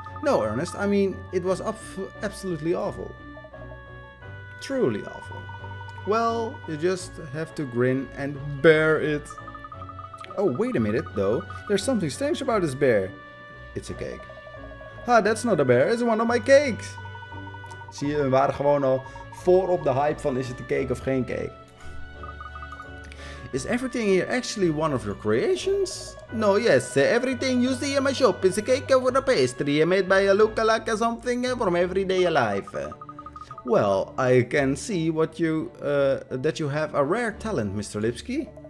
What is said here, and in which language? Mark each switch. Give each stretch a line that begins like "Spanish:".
English: No, Ernest, I mean, it was absolutely awful. Truly awful. Well, you just have to grin and bear it. Oh, wait a minute, though. There's something strange about this bear. It's a cake. Ah, that's not a bear. It's one of my cakes.
Dutch: Zie je, we waren gewoon al voor op de hype van is het een cake of geen cake.
English: Is everything here actually one of your creations? No, yes. Everything you see in my shop is a cake over a pastry made by a lookalike or something from everyday life. Well, I can see what you that you have a rare talent, Mr. Lipsky.